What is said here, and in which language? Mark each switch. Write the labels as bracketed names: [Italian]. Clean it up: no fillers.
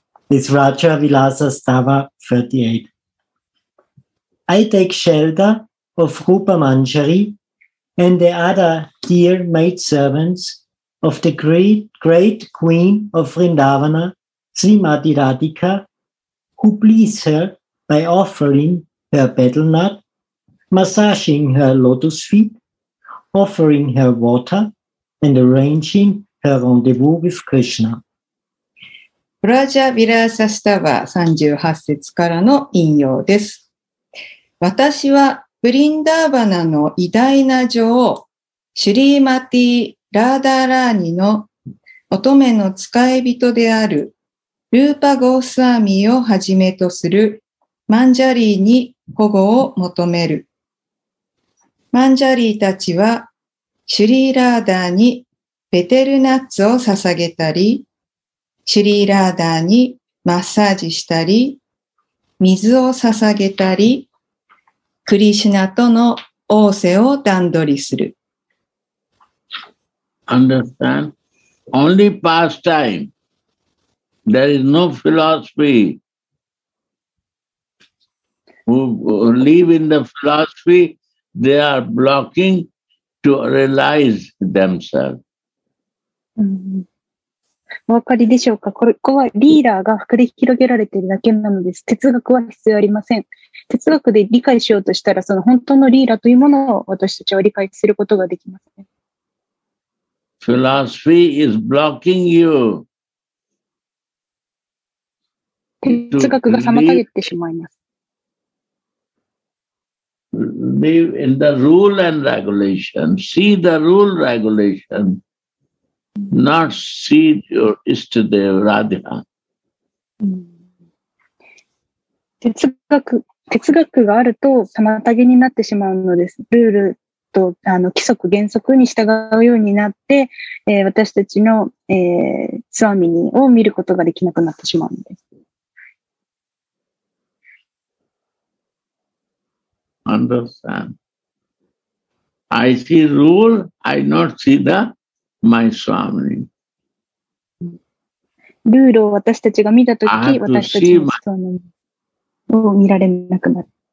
[English] It's Raja Vilasa Stava 38. I take shelter of Rupa Manjari and the other dear maidservants of the great queen of Vrindavana, Srimati Radhika, who please her by offering her betel nut, massaging her lotus feet, offering her water, and arranging her rendezvous with Krishna. [Japanese] ブラジャ・ヴィラーサスタヴァ38節からの引用です。私はブリンダーバナの偉大な女王、シュリーマティ・ラーダーラーニの乙女の使い人であるルーパ・ゴースワミをはじめとするマンジャリーに保護を求める。マンジャリーたちは、シュリー・ラーダーにベテルナッツを捧げたり、シュリー・ラーダーにマッサージしたり、水を捧げたり、クリシュナとの仰せを段取りする。 [English] Understand? Only pastime. There is no philosophy. Who live in the philosophy, they are blocking to realize themselves. [Japanese] お分かりでしょうか。ここはリーダーが繰り広げられているだけなのです。哲学は必要ありません。哲学で理解しようとしたら、その本当のリーダーというものを私たちは理解することができます、ね。 [English] Philosophy is blocking you. [Japanese] 哲学が妨げてしまいます。 [English] Live in the rule and regulation. See the rule regulation, not see your istadeva Radha. [Japanese] 哲学があると妨げになってしまうのです。ルールと規則原則に従うようになって、私たちの、スワミニを見ることができなくなってしまうのです。 [English] Understand. I see rule, I not see the my Swami. [Japanese] ルールを私たちが見たとき、私たちのスワミを見られなくなる。